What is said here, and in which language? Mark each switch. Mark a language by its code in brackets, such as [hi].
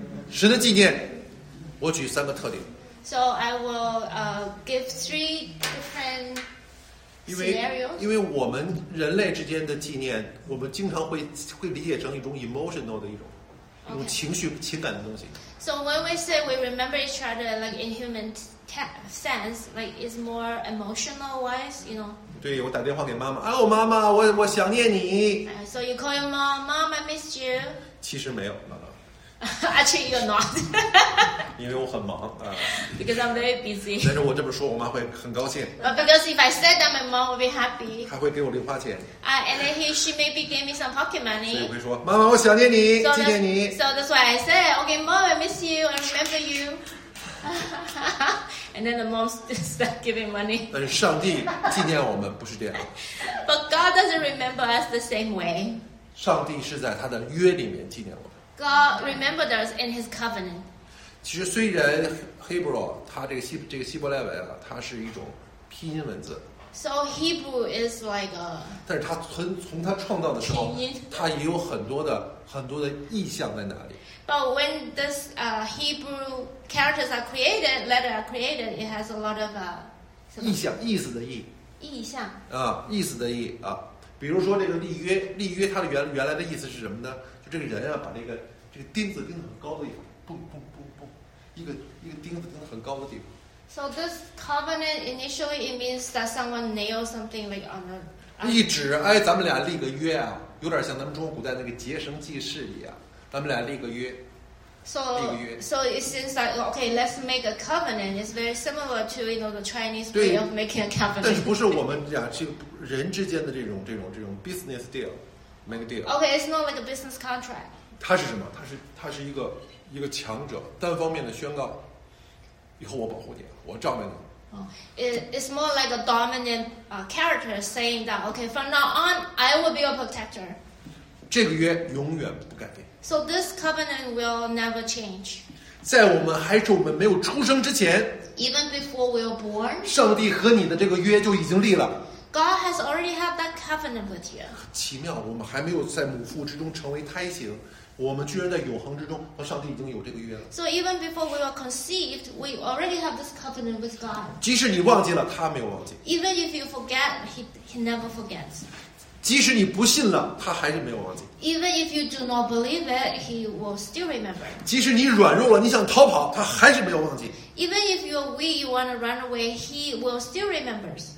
[zh] 神的纪念，我举三个特点。 [en] So I will give three different scenarios. [zh] 因为我们人类之间的纪念，我们经常会理解成一种 emotional 的一种。 [en] Okay. [zh] 情绪情感的东西。 [en] So when we say we remember each other, like in human sense, like it's more emotional wise, you know. [zh] 对，我打电话给妈妈，哎，我妈妈，我想念你。 [en] So you call your mom, mom, I missed you. [zh] 其实没有，妈妈。 [en] Actually, you're not. [zh] 因为我很忙啊。 [en] Because I'm very busy. [zh] 但是我这么说，我妈会很高兴。 [en] Because if I said that, my mom would be happy. [zh] 还会给我零花钱。 [en] And she maybe gave me some pocket money. [zh] 所以我会说，妈妈，我想念你，纪念你。 [en] So that's why I said, okay, mom, I miss you, I remember you. And then the mom start giving money. [zh] 但是上帝纪念我们不是这样。 [en] But God doesn't remember us the same way. [zh] 上帝是在他的约里面纪念我们。 [en] God remembered us in His covenant. [zh] 其实虽然 Hebrew 它这个希伯来文啊，它是一种拼音文字。 [en] So Hebrew is like a. [zh] 但是他从他创造的时候，他也有很多的意象在哪里。 [en] But when this Hebrew characters are created, letter are created, it has a lot of [zh] 意象，意思的意。意象。啊，意思的意啊，比如说这个立约，它的原来的意思是什么呢？就这个人啊，把这个钉子钉很高的地方，嘣嘣嘣嘣，一个钉子钉很高的地方。 [en] So this covenant initially it means that someone nails something like on a. [zh] 一指，哎，咱们俩立个约啊，有点像咱们中国古代那个结绳记事一样，咱们俩立个约。 [en] So it seems like okay, let's make a covenant. It's very similar to you know the Chinese way of making a covenant. [zh] 但是不是我们俩就人之间的这种 [en] business deal, make a deal. Okay, it's not like a business contract. [zh] 它是什么？它是一个强者单方面的宣告。以后我保护你，我照顾你。 [en] It's more like a dominant character saying that, okay, from now on, I will be your protector. [zh] 这个约永远不改变。 [en] So this covenant will never change. [zh] 在我们还是我们没有出生之前 [en] ，even before we were born， [zh] 上帝和你的这个约就已经立了。 [en] God has already had that covenant with you. [zh] 奇妙，我们还没有在母腹之中成为胎形。我们居然在永恒之中和上帝已经有这个约了。 [en] So even before we were conceived, we already have this covenant with God. [zh] 即使你忘记了，他没有忘记。 [en] Even if you forget, he never forgets. [zh] 即使你不信了，他还是没有忘记。 [en] Even if you do not believe it, he will still remember. [zh] 即使你软弱了，你想逃跑，他还是没有忘记。 [en] Even if you are weak, you want to run away, he will still remembers.